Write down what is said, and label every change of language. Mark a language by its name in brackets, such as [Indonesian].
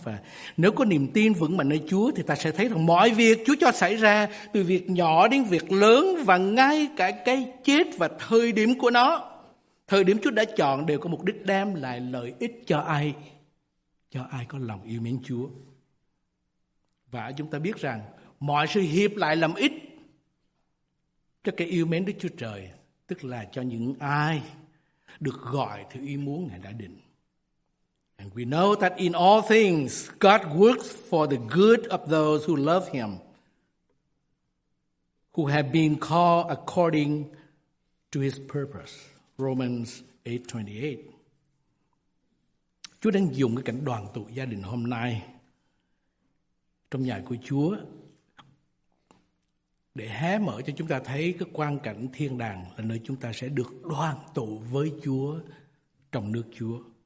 [Vietnamese] Và nếu có niềm tin vững mạnh nơi Chúa thì ta sẽ thấy rằng mọi việc Chúa cho xảy ra, từ việc nhỏ đến việc lớn và ngay cả cái chết và thời điểm của nó, thời điểm Chúa đã chọn, đều có mục đích đem lại lợi ích cho ai? Cho ai có lòng yêu mến Chúa. Và chúng ta biết rằng mọi sự hiệp lại làm ích cho cái yêu mến Đức Chúa Trời, tức là cho những ai được gọi theo ý muốn Ngài đã định. [English] And we know that in all things, God works for the good of those who love Him, who have been called according to His purpose. Romans 8:28. [Vietnamese] Chúa đang dùng cái cảnh đoàn tụ gia đình hôm nay trong nhà của Chúa để hé mở cho chúng ta thấy cái quang cảnh thiên đàng là nơi chúng ta sẽ được đoàn tụ với Chúa trong nước Chúa.